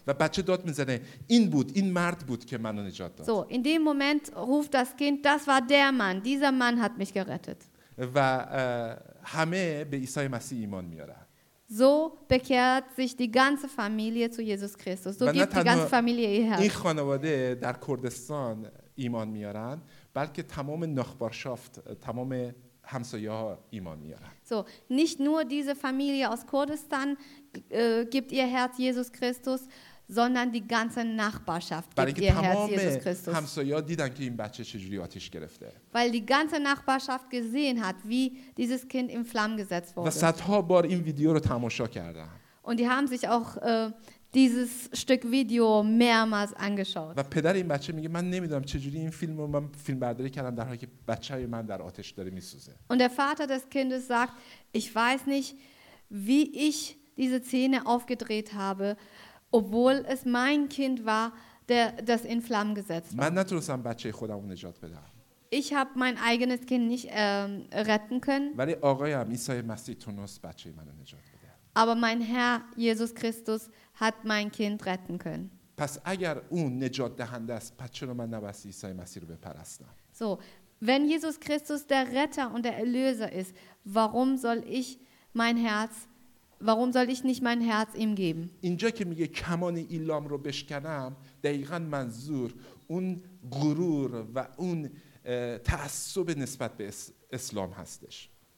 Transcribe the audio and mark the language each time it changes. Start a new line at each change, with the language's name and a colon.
Persian: و بچه داد میزنه این بود این مرد بود که منو نجات داد.
German: So in dem Moment ruft das Kind, das war der Mann, dieser Mann hat mich gerettet.
Persian: و همه به عیسی مسیح ایمان میارن.
German: So bekehrt sich die ganze Familie zu Jesus Christus. So gibt die ganze Familie ihr Herz.
Persian: این خانواده در کردستان ایمان میارن، بلکه تمام نخبارشافت، تمام همسایه ها ایمان میارن.
German: So, nicht nur diese Familie aus Kurdistan gibt ihr Herz Jesus Christus, sondern die ganze Nachbarschaft gibt ihr Herz Jesus Christus.
Persian: همسایه ها دیدن که این بچه چجوری آتش گرفته.
German: Weil die ganze Nachbarschaft gesehen hat, wie dieses Kind in Flammen gesetzt wurde.
Persian: و صدها بار این ویدیو رو تماشا کردن.
German: Und die haben sich auch dieses Stück Video mehrmals angeschaut.
Persian: و پدر این بچه میگه من نمیدونم چجوری این فیلم رو من فیلم برداری کردم در حالی که بچه های من در آتش داره میسوزه.
German: Und der Vater des Kindes sagt, ich weiß nicht, wie ich diese Szene aufgedreht habe, obwohl es mein Kind war, der das in Flammen gesetzt war.
Persian: من نتونستم بچه خودم رو نجات بدم.
German: Ich habe mein eigenes Kind nicht retten können.
Persian: ولی آقایم عیسی مسیح تونست بچه منو نجات بده.
German: Aber mein Herr Jesus Christus hat mein Kind retten können.
Persian: پس اگر اون نجات دهنده است، پس چرا من نباید عیسی مسیح رو بپرستم؟
German: So, Wenn Jesus Christus der Retter und der Erlöser ist, warum soll ich nicht mein Herz ihm geben?
Persian: اینجا که میگه کمان ایلام رو بشکنم دقیقاً منظور اون غرور و اون تعصب نسبت به اسلام هستش.